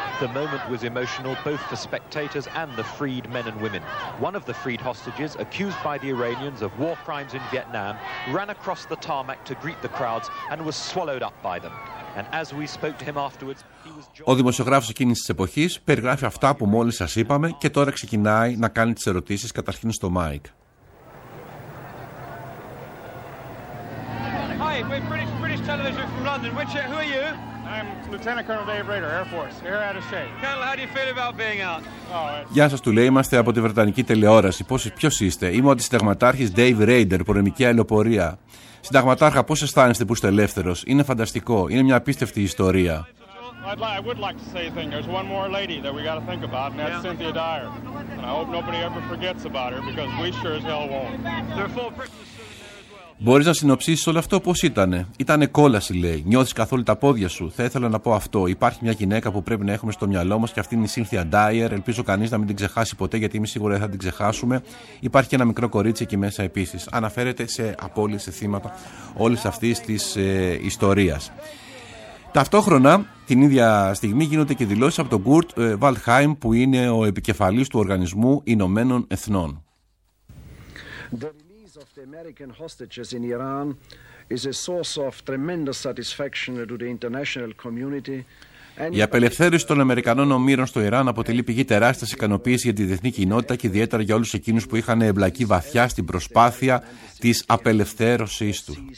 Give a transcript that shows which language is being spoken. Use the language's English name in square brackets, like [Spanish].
[English] The moment was emotional both for spectators and the freed men and women. One of the freed hostages, accused by the Iranians of war crimes in Vietnam, ran across the tarmac to greet the crowds and was swallowed up by them. And as we spoke to him afterwards, [Greek] ο δημοσιογράφος εκείνης της εποχής περιγράφει αυτά που μόλις σας είπαμε και τώρα ξεκινάει να κάνει τις ερωτήσεις καταρχήν στο Mike. [English] Hi, we're British television from London. Who are you? I'm Lieutenant Colonel Dave Rader, Air Force. Air Attaché. Colonel, how do you feel about being out? [Greek] Γεια σας, του λέει, είμαστε από τη Βρετανική τηλεόραση. Ποιος είστε? Είμαι ο αντισυνταγματάρχης Dave Rader, πολεμική αεροπορία. Συνταγματάρχα, πώς αισθάνεστε που είστε ελεύθερος? Είναι φανταστικό. Είναι μια απίστευτη ιστορία. [English] I would like to say a thing. There's one more lady that we got to think about, and that's Cynthia Dyer. And I hope nobody ever forgets about her, because we sure as hell won't. [Greek] Μπορείς να συνοψίσεις όλο αυτό πώς ήτανε? Ήτανε κόλαση, λέει. Νιώθεις καθόλου τα πόδια σου? Θα ήθελα να πω αυτό. Υπάρχει μια γυναίκα που πρέπει να έχουμε στο μυαλό μας και αυτή είναι η Cynthia Dyer. Ελπίζω κανείς να μην την ξεχάσει ποτέ, γιατί είμαι σίγουρα θα την ξεχάσουμε. Υπάρχει και ένα μικρό κορίτσι εκεί μέσα επίσης. Αναφέρεται σε απώλειες, σε θύματα όλης αυτής της ιστορίας. Ταυτόχρονα, την ίδια στιγμή γίνονται και δηλώσεις από τον Kurt Waldheim, που είναι ο επικεφαλής του Οργανισμού Ηνωμένων Εθνών. [English] Of the American hostages in Iran is a source of tremendous satisfaction to the international community. [Greek] Η απελευθέρωση των Αμερικανών ομήρων στο Ιράν αποτελεί πηγή τεράστια ικανοποίηση για τη διεθνή κοινότητα και ιδιαίτερα για όλους εκείνους που είχαν εμπλακεί βαθιά στην προσπάθεια της απελευθέρωσής του.